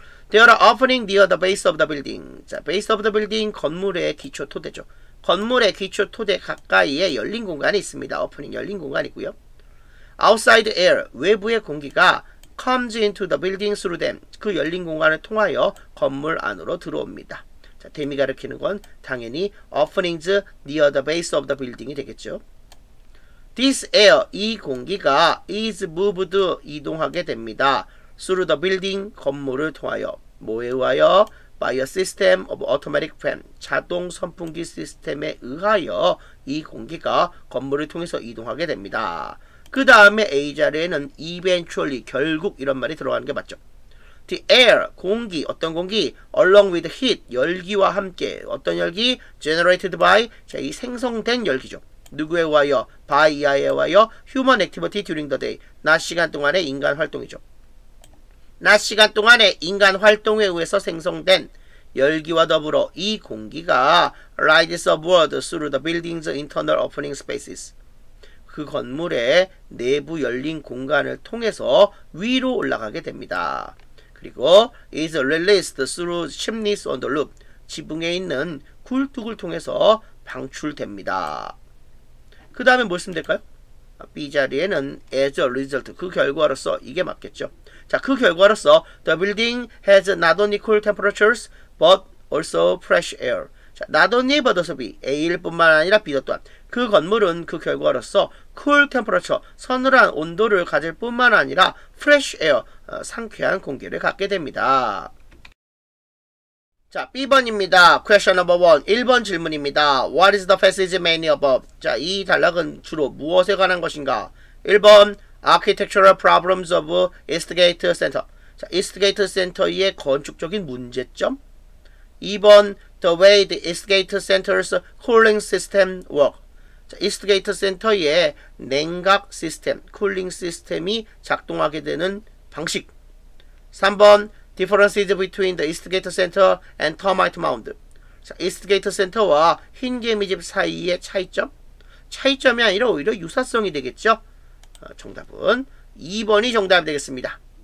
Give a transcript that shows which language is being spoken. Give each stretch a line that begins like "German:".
English: There are openings near the base of the building.
Korean: 자,
English: base of the building
Korean: 건물의 기초 토대죠. 건물의 기초 토대 가까이에 열린 공간이 있습니다. 오프닝 열린 공간이고요.
English: Outside air,
Korean: 외부의 공기가
English: comes into the building through them.
Korean: 그 열린 공간을 통하여 건물 안으로 들어옵니다. 자, 댐이 가리키는 건 당연히
English: openings near the base of the building이
Korean: 되겠죠.
English: This air,
Korean: 이 공기가
English: is moved
Korean: 이동하게 됩니다.
English: Through the building,
Korean: 건물을 통하여 뭐에 의하여?
English: By a system of automatic fan,
Korean: 자동 선풍기 시스템에 의하여 이 공기가 건물을 통해서 이동하게 됩니다. 그 다음에 A 자리에는 eventually, 결국 이런 말이 들어가는 게 맞죠. The air, 공기, 어떤 공기?
English: Along with heat,
Korean: 열기와 함께. 어떤 열기?
English: Generated by,
Korean: 자, 이 생성된 열기죠. 누구에 의하여? By 이하에 의하여
English: human activity during the day,
Korean: 낮 시간 동안의 인간 활동이죠. 낮 시간 동안의 인간 활동에 의해서 생성된 열기와 더불어 이 공기가
English: rides upward through the building's internal opening spaces.
Korean: 그 건물의 내부 열린 공간을 통해서 위로 올라가게 됩니다. 그리고
English: is released through chimneys on the roof.
Korean: 지붕에 있는 굴뚝을 통해서 방출됩니다. 그 다음에 뭘 쓰면 될까요? B 자리에는
English: as a result,
Korean: 그 결과로서 이게 맞겠죠. 자, 그 결과로서
English: the building has not only cool temperatures but also fresh air. 자, not only but also B.
Korean: A일 뿐만 아니라 B도 또한. 그 건물은 그 결과로서
English: cool temperature,
Korean: 서늘한 온도를 가질 뿐만 아니라
English: fresh air,
Korean: 상쾌한 공기를 갖게 됩니다. 자, B번입니다.
English: Question number 1.
Korean: 1번 질문입니다.
English: What is the passage mainly above?
Korean: 자, 이 단락은 주로 무엇에 관한 것인가?
English: 1번 Architectural Problems of East Gate Center.
Korean: 자, East Gate Center의 건축적인 문제점.
English: 2번 The way the East Gate Center's cooling system work.
Korean: 자, East Gate Center의 냉각 시스템, 쿨링 시스템이 작동하게 되는 방식.
English: 3번 Differences between the East Gate Center and Termite Mound.
Korean: 자, East Gate Center와 흰 개미 집 사이의 차이점. 차이점이 아니라 오히려 유사성이 되겠죠. 정답은 2번이 정답이 되겠습니다.